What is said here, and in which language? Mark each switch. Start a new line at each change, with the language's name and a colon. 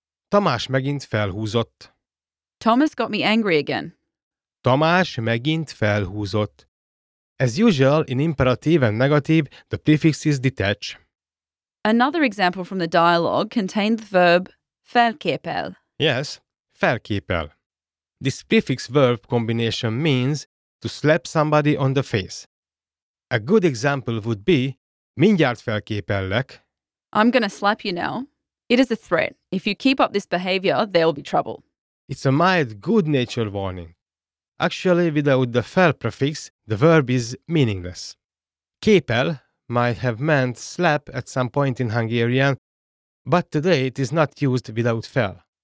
Hungarian: Tamás megint felhúzott.
English: Thomas got me angry again.
Hungarian: Tamás megint felhúzott.
English: As usual, in imperative and negative, the prefix is detach. Another example from the dialogue contained the verb felképel. Yes, felképel. This prefix verb combination means to slap somebody on the face. A good example would be
Hungarian: mindjárt felképellek.
English: I'm gonna slap you now. It is a threat. If you keep up this behavior, there will be trouble. It's a mild, good-natured warning. Actually, without the fel prefix, the verb is meaningless. Képel might have meant slap at some point in Hungarian, but today it is not used without fel.